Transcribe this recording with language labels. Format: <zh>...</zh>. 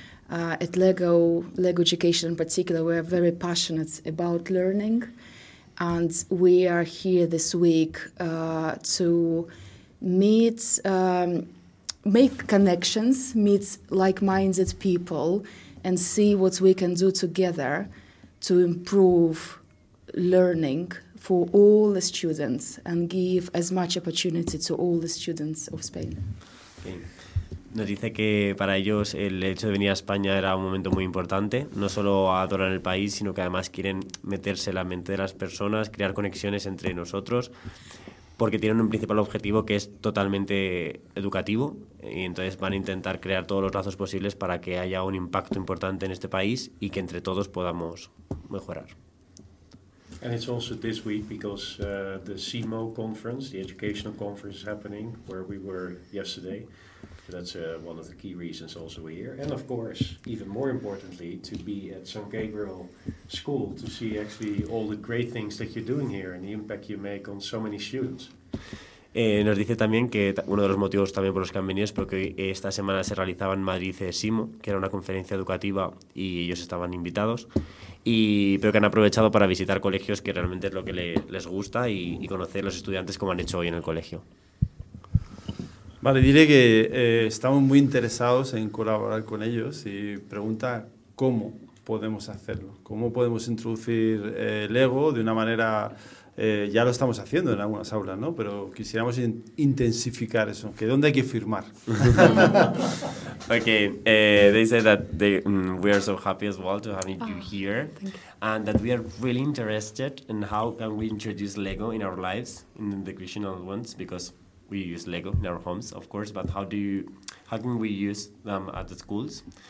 <en>At Lego Education in particular, we are very passionate about learning, and we are here this week to meet, make connections, meet like-minded people, and see what we can do together to improve learning for all the students and give as much opportunity to all the students of Spain. Okay.</en> <es>Nos dice que para ellos el hecho de venir a España era un momento muy importante, no solo adoran el país, sino que además quieren meterse en la mente de las personas, crear conexiones entre nosotros, porque tienen un principal objetivo que es totalmente educativo, y entonces van a intentar crear todos los lazos posibles para que haya un impacto importante en este país y que entre todos podamos mejorar.</es> <en>And it's also this week because the CMO conference, the educational conference, is happening where we were yesterday. So that's one of the key reasons also we're here. And of course, even more importantly, to be at San Gabriel School to see actually all the great things that you're doing here and the impact you make on so many students.</en> <es>Nos dice también que uno de los motivos también por los que han venido es porque esta semana se realizaba en Madrid CIMO, que era una conferencia educativa y ellos estaban invitados, pero que han aprovechado para visitar colegios, que realmente es lo que les gusta, y conocer los estudiantes como han hecho hoy en el colegio. Vale, diré que estamos muy interesados en colaborar con ellos y pregunta cómo podemos hacerlo, cómo podemos introducir Lego de una manera ya lo estamos haciendo en algunas aulas, ¿no? Pero quisiéramos intensificar eso. ¿Que dónde hay que firmar?</es> <en>Okay, they said that we are so happy as well to have you here. Thank you. And that we are really interested in how can we introduce Lego in our lives, in the Christian ones, because we use Lego in our homes, of course, but how can we use them at the schools?</en>